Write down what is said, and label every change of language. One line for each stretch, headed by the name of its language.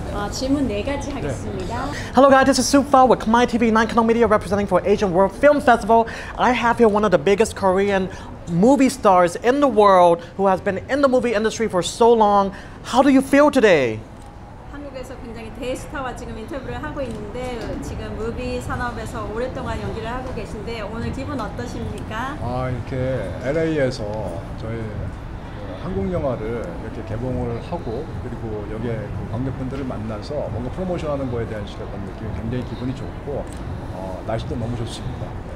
Korean: 질문 네 가지 하겠습니다.
English: Hello guys, this is Supha with Khmer TV, 9 Kanal Media, representing for Asian World Film Festival. I have here one of the biggest Korean movie stars in the world who has been in the movie industry for so long. How do you feel today?
Korean: 한국에서 굉장히 대스타와 지금 인터뷰를 하고 있는데 지금 무비 산업에서 오랫동안 연기를 하고 계신데 오늘 기분 어떠십니까? 아, 이렇게 LA에서 저희 한국 영화를 이렇게 개봉을 하고 그리고 여기에 그 관객분들을 만나서 뭔가 프로모션 하는 거에 대한 시각과 느낌이 굉장히 기분이 좋고 날씨도 너무 좋습니다.